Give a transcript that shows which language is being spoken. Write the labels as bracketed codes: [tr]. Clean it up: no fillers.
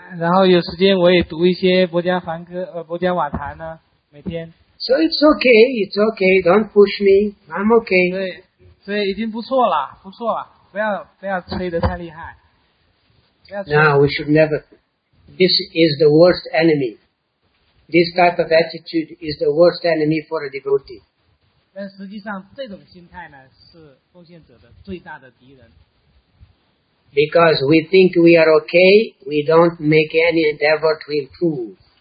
[zh] 然后有时间我也读一些博迦梵歌，博迦瓦坛呢，每天。 [en] So it's okay. Don't push me. I'm okay. [zh] 所以已经不错了，不要吹得太厉害。 [en] Now we should never. This is the worst enemy. This type of attitude is the worst enemy for a devotee. [zh] 但实际上这种心态呢，是奉献者的最大的敌人。 [en] Because we think we are okay, we don't make any endeavor to improve.